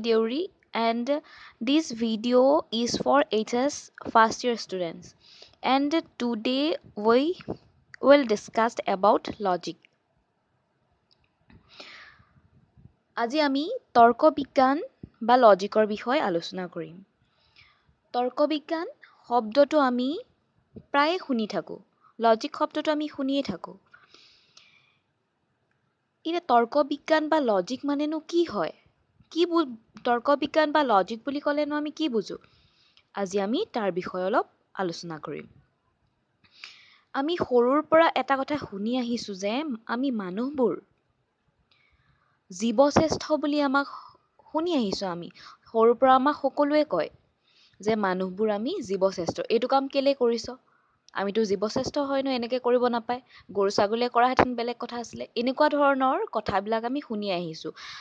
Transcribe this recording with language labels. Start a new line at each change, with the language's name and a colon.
English: Deori, and this video is for HS first year students. And today we will discuss about logic.
Assamese: আজি আমি তর্ক বিজ্ঞান বা লজিকৰ বিষয়ে আলোচনা কৰিম। তর্ক বিজ্ঞান শব্দটো আমি প্ৰায়ে শুনি থাকো, লজিক শব্দটো আমি শুনিয়ে থাকো। এতিয়া তর্ক বিজ্ঞান বা লজিক মানেনো কি হয়, কি তর্ক বিজ্ঞান বা লজিক বুলি ক'লেনো আমি কি বুজো, আজি আমি তাৰ বিষয়ে অলপ আলোচনা কৰিম। আমি সৰুৰ পৰা এটা কথা শুনি আহিছোঁ যে আমি মানুহবোৰ জীৱশ্ৰেষ্ঠ বুলি আমাক শুনি আহিছোঁ। আমি সৰুৰ পৰা আমাক সকলোৱে কয় যে মানুহবোৰ আমি জীৱশ্ৰেষ্ঠ, এইটো কাম কেলৈ কৰিছ, আমিতো জীৱশ্ৰেষ্ঠ হয়নো, এনেকৈ কৰিব নাপায়, গৰু ছাগলীয়ে কৰাহেঁতেন বেলেগ কথা আছিলে, এনেকুৱা ধৰণৰ কথাবিলাক আমি শুনি আহিছোঁ।